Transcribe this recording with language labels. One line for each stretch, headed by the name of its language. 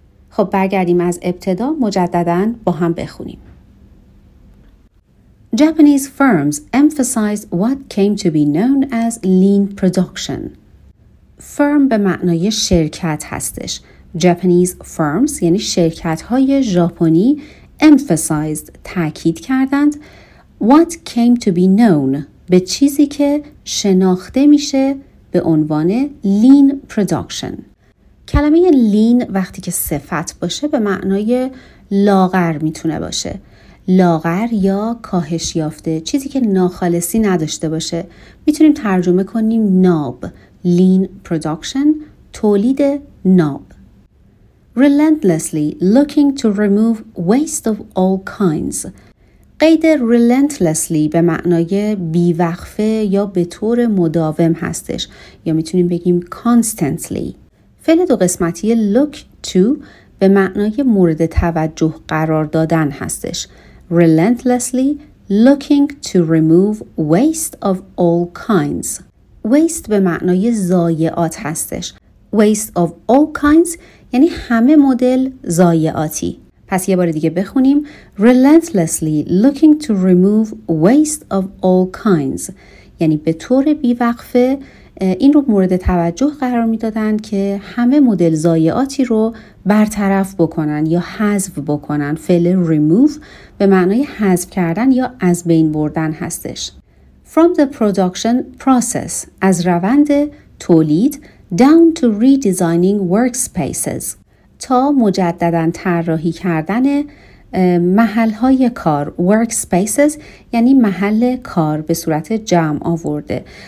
Persian: خب برگردیم از ابتدا مجدداً با هم بخونیم.
English: Japanese firms emphasize what came to be known as lean production.
Persian: Firm به معنای شرکت هستش.
English: Japanese firms
Persian: یعنی شرکت‌های ژاپنی emphasized تأکید کردند
English: what came to be known
Persian: به چیزی که شناخته میشه به عنوان lean production. کلمه لین وقتی که صفت باشه به معنای لاغر میتونه باشه. لاغر یا کاهش یافته، چیزی که ناخالصی نداشته باشه. میتونیم ترجمه کنیم ناب. لین پروداکشن، تولید ناب.
English: Relentlessly looking to remove waste of all kinds.
Persian: قید relentlessly به معنای بیوقفه یا به طور مداوم هستش. یا میتونیم بگیم constantly. فعل دو قسمتی look to به معنای مورد توجه قرار دادن هستش.
English: Relentlessly looking to remove waste of all kinds.
Persian: Waste به معنای ضایعات هستش. Waste of all kinds یعنی همه مدل ضایعاتی. پس یه بار دیگه بخونیم.
English: Relentlessly looking to remove waste of all kinds.
Persian: یعنی به طور بیوقفه این رو مورد توجه قرار می دادن که همه مدل ضایعاتی رو برطرف بکنن یا حذف بکنن. فعل remove به معنای حذف کردن یا از بین بردن هستش.
English: From the production process,
Persian: از روند تولید,
English: down to redesigning workspaces,
Persian: تا مجدداً طراحی کردن محل‌های کار, workspaces یعنی محل کار به صورت جمع آورده.